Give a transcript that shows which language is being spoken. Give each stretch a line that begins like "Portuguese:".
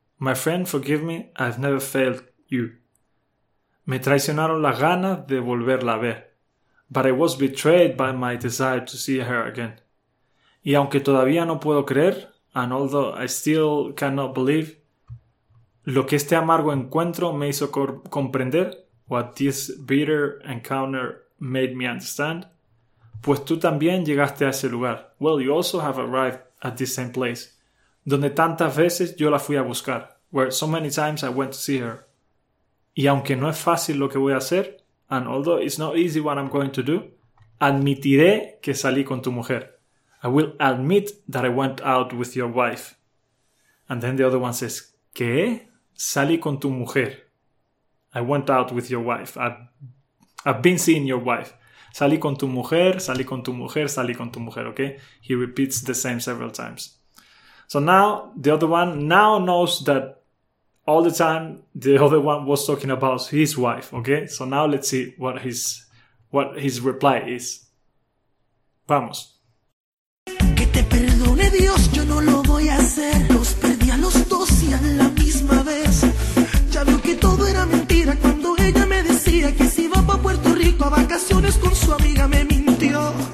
English: My friend, forgive me, I've never failed you.
Spanish: Me traicionaron las ganas de volverla a ver.
English: But I was betrayed by my desire to see her again.
Spanish: Y aunque todavía no puedo creer,
English: and although I still cannot believe,
Spanish: lo que este amargo encuentro me hizo comprender,
English: what this bitter encounter made me understand,
Spanish: pues tú también llegaste a ese lugar.
English: Well, you also have arrived at this same place.
Spanish: Donde tantas veces yo la fui a buscar.
English: Where so many times I went to see her.
Spanish: Y aunque no es fácil lo que voy a hacer,
English: and although it's not easy what I'm going to do,
Spanish: admitiré que salí con tu mujer.
English: I will admit that I went out with your wife. And then the other one says,
Spanish: ¿qué? Salí con tu mujer.
English: I went out with your wife. I've been seeing your wife.
Spanish: Salí con tu mujer, salí con tu mujer, salí con tu mujer, okay?
English: He repeats the same several times. So now, the other one now knows that all the time the other one was talking about his wife, okay? So now let's see what his reply is.
Spanish: Vamos. Que te perdone Dios, yo no lo voy a hacer. Los perdí a los dos y a la misma vez. Ya veo que todo era mentira cuando ella me decía que si iba pa' Puerto Rico a vacaciones con su amiga me mintió.